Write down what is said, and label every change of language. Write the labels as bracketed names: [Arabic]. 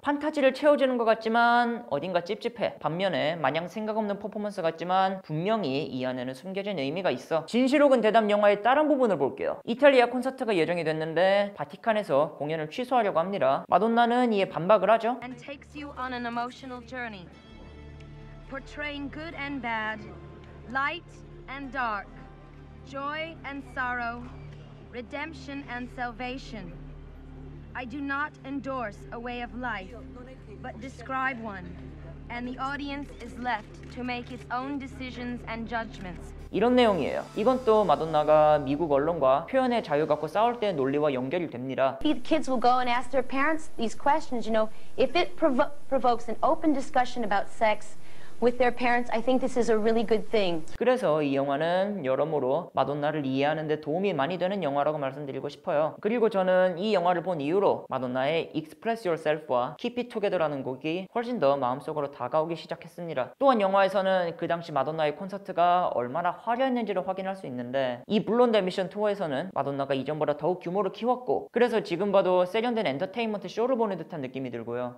[Korean] 판타지를 채워주는 것 같지만 어딘가 찝찝해. 반면에 마냥 생각 없는 퍼포먼스 같지만 분명히 이 안에는 숨겨진 의미가 있어. 진실 혹은 대담 영화의 다른 부분을 볼게요. 이탈리아 콘서트가 예정이 됐는데 바티칸에서 공연을 취소하려고 합니다. 마돈나는 이에 반박을 하죠. [English] And takes you on an emotional journey, portraying good and bad, light and dark, joy and sorrow, redemption and salvation. I do not endorse a way of life, but describe one, and the audience is left to make its own decisions and judgments. [Korean] 이런 내용이에요. 이건 또 마돈나가 미국 언론과 표현의 자유 갖고 싸울 때의 논리와 연결이 됩니다. [English] The kids will go and ask their parents these questions, you know, if it provokes an open discussion about sex with their parents, I think this is a really good thing. [Korean] 그래서 이 영화는 여러모로 마돈나를 이해하는 데 도움이 많이 되는 영화라고 말씀드리고 싶어요. 그리고 저는 이 영화를 본 이후로 마돈나의 Express Yourself와 Keep It Together라는 곡이 훨씬 더 마음속으로 다가오기 시작했습니다. 또한 영화에서는 그 당시 마돈나의 콘서트가 얼마나 화려했는지를 확인할 수 있는데 이 블론드 미션 투어에서는 마돈나가 이전보다 더욱 규모를 키웠고 그래서 지금 봐도 세련된 엔터테인먼트 쇼를 보는 듯한 느낌이 들고요.